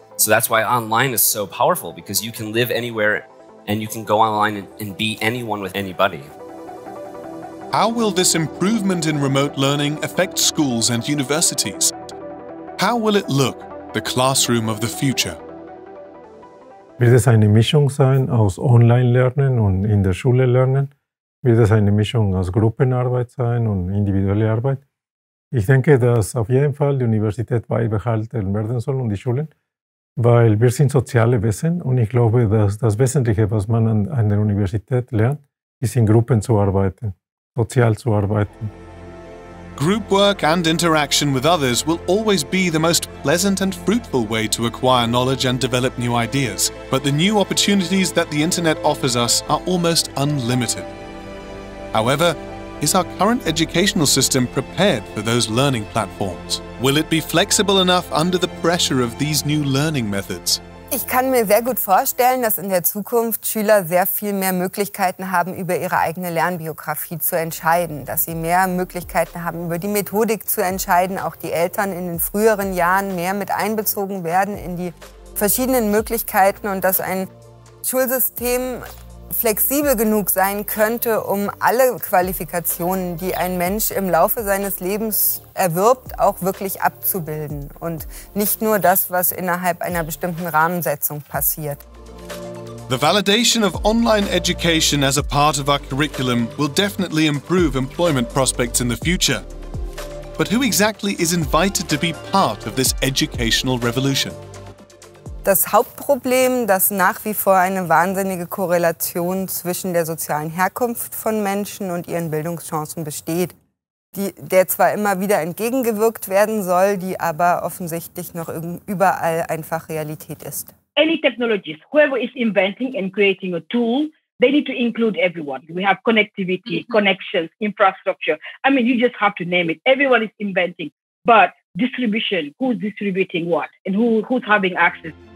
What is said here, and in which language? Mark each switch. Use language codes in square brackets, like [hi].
[en] So that's why online is so powerful, because you can live anywhere and you can go online and be anyone with anybody. How will this improvement in remote learning affect schools and universities? How will it look, the classroom of the future? [de] Wird es eine Mischung sein aus Online-Lernen und in der Schule lernen? Wird es eine Mischung aus Gruppenarbeit sein und individuelle Arbeit? Ich denke, dass auf jeden Fall die Universität beibehalten werden soll und die Schulen, weil wir sind soziale Wesen und ich glaube, dass das Wesentliche, was man an der Universität lernt, ist in Gruppen zu arbeiten, sozial zu arbeiten. [en] Group work and interaction with others will always be the most pleasant and fruitful way to acquire knowledge and develop new ideas. But the new opportunities that the internet offers us are almost unlimited. However, is our current educational system prepared for those learning platforms? Will it be flexible enough under the pressure of these new learning methods? [de] Ich kann mir sehr gut vorstellen, dass in der Zukunft Schüler sehr viel mehr Möglichkeiten haben, über ihre eigene Lernbiografie zu entscheiden. Dass sie mehr Möglichkeiten haben, über die Methodik zu entscheiden. Auch die Eltern in den früheren Jahren mehr mit einbezogen werden in die verschiedenen Möglichkeiten. Und dass ein Schulsystem flexibel genug sein könnte, um alle Qualifikationen, die ein Mensch im Laufe seines Lebens erwirbt, auch wirklich abzubilden und nicht nur das, was innerhalb einer bestimmten Rahmensetzung passiert. [en] The validation of online education as a part of our curriculum will definitely improve employment prospects in the future. But who exactly is invited to be part of this educational revolution? [de] Das Hauptproblem, dass nach wie vor eine wahnsinnige Korrelation zwischen der sozialen Herkunft von Menschen und ihren Bildungschancen besteht, der zwar immer wieder entgegengewirkt werden soll, die aber offensichtlich noch überall einfach Realität ist. [en] Any technologist, whoever is inventing and creating a tool, they need to include everyone. We have connectivity, connections, infrastructure. I mean, you just have to name it. Everyone is inventing, but distribution, who's distributing what and who's having access?